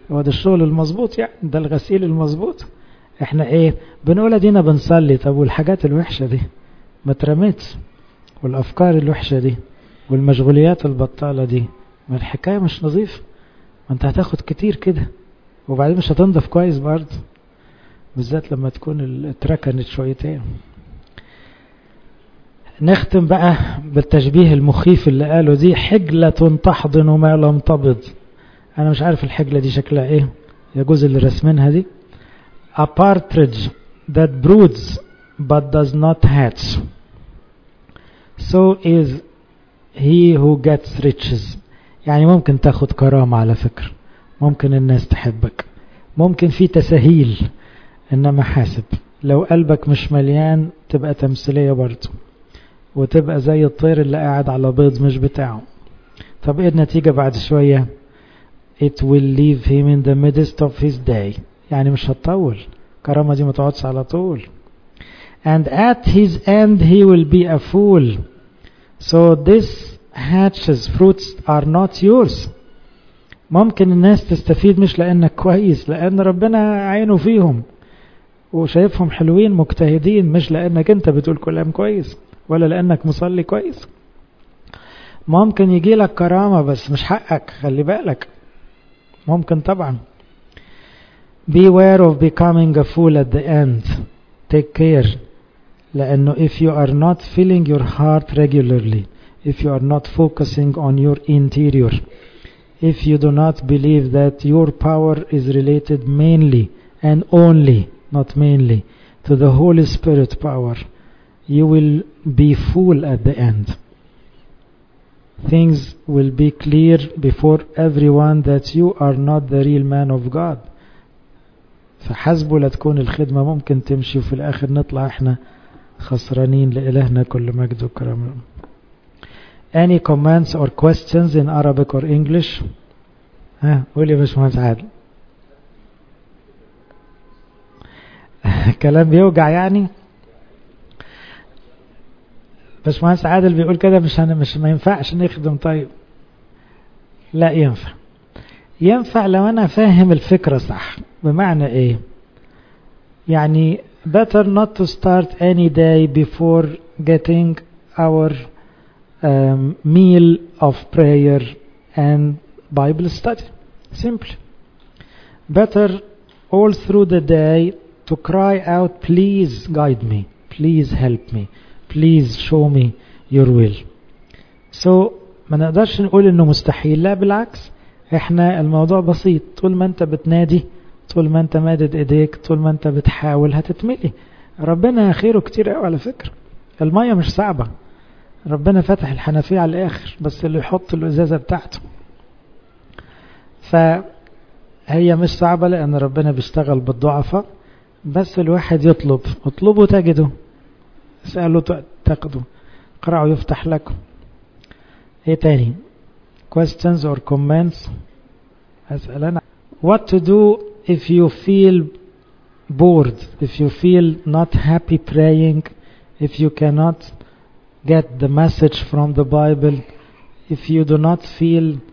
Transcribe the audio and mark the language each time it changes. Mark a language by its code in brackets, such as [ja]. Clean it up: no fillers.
[ar] هو ده الشغل المظبوط يعني، ده الغسيل المظبوط. احنا بنقول ادينا بنصلي، طب والحاجات الوحشه دي ما اترمتش، والافكار الوحشه دي والمشغوليات البطاله دي، ما الحكايه مش نظيف، ما انت هتاخد كتير كده وبعدين مش هتنضف كويس برضه، بالذات لما تكون اتركنت شويتين. نختم بقى بالتشبيه المخيف اللي قاله دي، حجلة تحضن ما لم تبض. انا مش عارف الحجلة دي شكلها ايه، يا جوز اللي رسمينها دي. [en] A partridge that broods but does not hatch. So is he who gets riches. [ar] يعني ممكن تاخد كرامة على فكرة، ممكن الناس تحبك، ممكن في تسهيل، انما حاسب لو قلبك مش مليان تبقى تمثيلية برضو، وتبقى زي الطير اللي قاعد على بيض مش بتاعه. طب ايه النتيجة بعد شوية؟ [en] It will leave him in the midst of his day. [ar] يعني مش هتطول، كرامة دي ما تقعدش على طول. [en] And at his end he will be a fool. So this hatches, fruits are not yours. [ar] ممكن الناس تستفيد مش لانك كويس، لان ربنا عينه فيهم وشايفهم حلوين مجتهدين، مش لانك انت بتقول كلام كويس ولا لانك مصلي كويس. ممكن يجي لك كرامة بس مش حقك، خلي بالك، ممكن طبعا. [en] Beware of becoming a fool at the end. Take care. [ar] لانه [en] if you are not filling your heart regularly, if you are not focusing on your interior, if you do not believe that your power is related mainly and only, not mainly, to the Holy Spirit power, you will be full at the end. Things will be clear before everyone that you are not the real man of God. [ar] فحسبه لتكون الخدمة، ممكن تمشي وفي الآخر نطلع احنا خسرانين. لإلهنا كل مجد وكرم. [en] Any comments or questions in Arabic or English؟ [ar] ها قول يا باشمهندس عادل. كلام بيوجع يعني؟ بس مهندس عادل بيقول كده مش ما ينفعش نخدم. طيب لا ينفع، ينفع لو انا فاهم الفكرة صح. بمعنى ايه؟ يعني [en] better not to start any day before getting our meal of prayer and Bible study. Simple. Better all through the day to cry out, please guide me, please help me, please show me your will. So [ar] ما نقدرش نقول انه مستحيل، لا بالعكس، احنا الموضوع بسيط. طول ما انت بتنادي، طول ما انت مادد ايديك، طول ما انت بتحاول هتتملي. ربنا خيره كتير قوي على فكرة، المية مش صعبة، ربنا فتح الحنفية على الاخر بس اللي يحط الازازة بتاعته. فهي مش صعبة لان ربنا بيشتغل بالضعفة، بس الواحد يطلب، اطلبوا تجدوا، اسألوا تأخذوا، قرعوا يفتح لكم. ايه تاني؟ [en] questions or comments؟ [ar] اسألنا. [en] What to do if you feel bored, if you feel not happy praying, if you cannot get the message from the Bible, if you do not feel